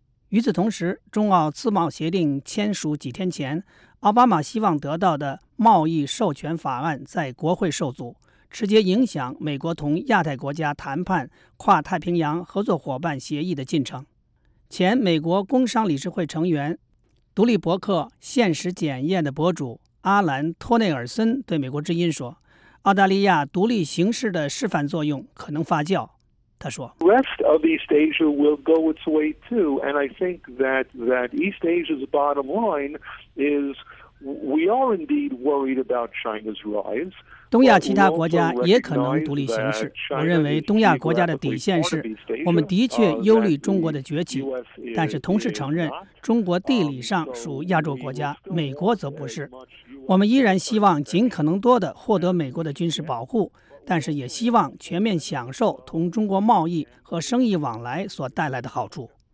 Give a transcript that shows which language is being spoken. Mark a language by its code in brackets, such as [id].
[zh] 与此同时，中澳自贸协定签署几天前，奥巴马希望得到的贸易授权法案在国会受阻，直接影响美国同亚太国家谈判跨太平洋合作伙伴协议的进程。前美国工商理事会成员、独立博客《现实检验》的博主阿兰·托内尔森对美国之音说，澳大利亚独立形式的示范作用可能发酵。他说 [en] ：“Rest of East Asia will go its way too, and I think that East Asia's bottom line is we are indeed worried about China's rise.” [zh] 东亚其他国家也可能独立行事。我认为东亚国家的底线是，我们的确忧虑中国的崛起，但是同时承认中国地理上属亚洲国家，美国则不是。我们依然希望尽可能多地获得美国的军事保护，但是也希望全面享受同中国贸易和生意往来所带来的好处。